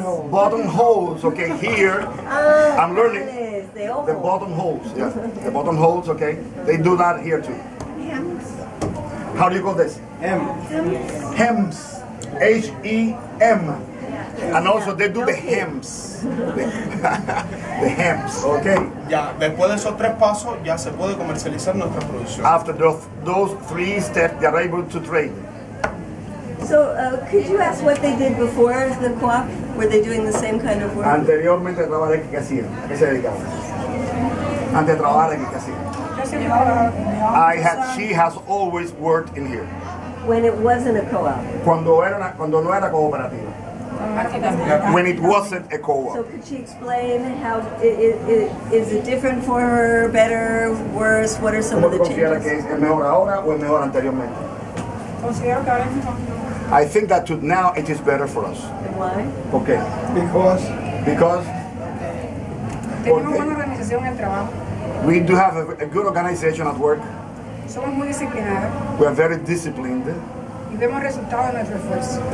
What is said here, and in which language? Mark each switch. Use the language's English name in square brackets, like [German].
[English] Bottom holes, okay, here, I'm learning, the bottom holes, yeah, the bottom holes, okay, they do that here too. Hems. How do you call this? Hems. Hems, H-E-M, and also they do the hems, the hems, okay. [Spanish] Ya, después de esos tres pasos, ya se puede comercializar nuestra producción. [English] After those three steps, they are able to trade. So, could you ask what they did before the co-op? Were they doing the same kind of work? [Spanish] Anteriormente trabajé que hacían. ¿Qué se dedicaban? Antes trabajaba que hacían. [English] She has always worked in here. When it wasn't a co-op. [Spanish] Cuando no era cooperativa. [English] When it wasn't a co-op. So, could she explain how is it different for her, better, worse? What are some of the changes? [Spanish] ¿Cómo considera que es mejor ahora o es mejor anteriormente? [English] I think that now it is better for us. Why? Okay. Because. [Spanish] Tenemos buena organización en trabajo. [English] We do have a good organization at work. [Spanish] Somos muy disciplinados. [English] We are very disciplined. [Spanish] Y vemos resultados de nuestro esfuerzo.